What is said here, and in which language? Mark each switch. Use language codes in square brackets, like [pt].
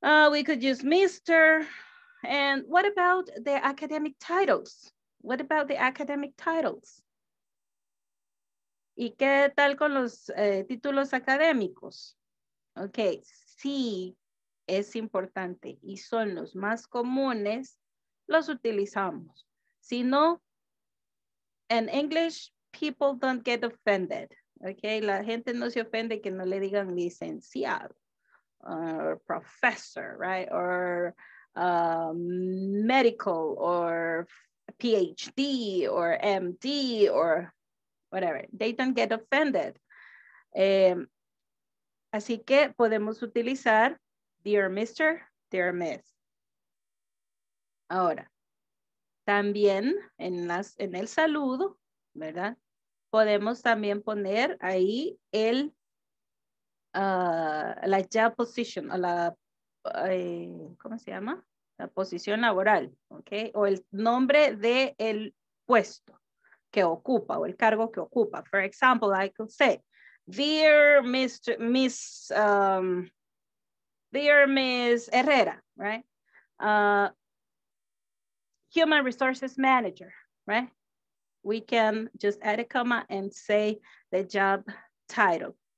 [en] We could use Mr. And what about the academic titles? What about the academic titles? [es] ¿Y qué tal con los títulos académicos? Okay, sí, es importante y son los más comunes. Los utilizamos. [en] Si no, in English, people don't get offended. [es] Okay, la gente no se ofende que no le digan licenciado, [en] or professor, [es] right? [en] Or medical, or PhD, or MD, or whatever. They don't get offended. [es] Así que podemos utilizar [en] dear Mr., dear Miss. [es] Ahora, también en el saludo, ¿verdad? Podemos también poner ahí el, la [en] job position, [es] o la, ¿cómo se llama? La posición laboral, ¿ok? O el nombre de el puesto que ocupa, o el cargo que ocupa. [en] For example, I could say, dear Miss Herrera, right? Human resources manager, right? We can just add a comma and say the job title.